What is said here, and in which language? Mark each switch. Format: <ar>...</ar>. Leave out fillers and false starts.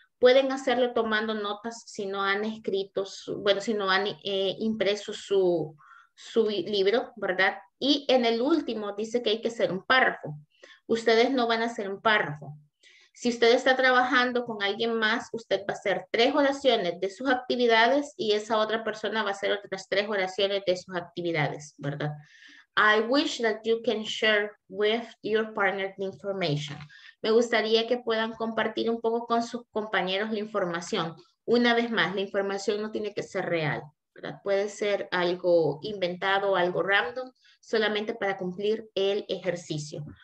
<es>Pueden hacerlo tomando notas si no han escrito, si no han impreso su libro, ¿verdad? Y en el último dice que hay que hacer un párrafo. Ustedes no van a hacer un párrafo. Si usted está trabajando con alguien más, usted va a hacer 3 oraciones de sus actividades y esa otra persona va a hacer otras 3 oraciones de sus actividades, ¿verdad?</es> <en>I wish that you can share with your partner the information.</en> <es>Me gustaría que puedan compartir un poco con sus compañeros la información. Una vez más, la información no tiene que ser real, ¿verdad? Puede ser algo inventado o algo random, solamente para cumplir el ejercicio.</es>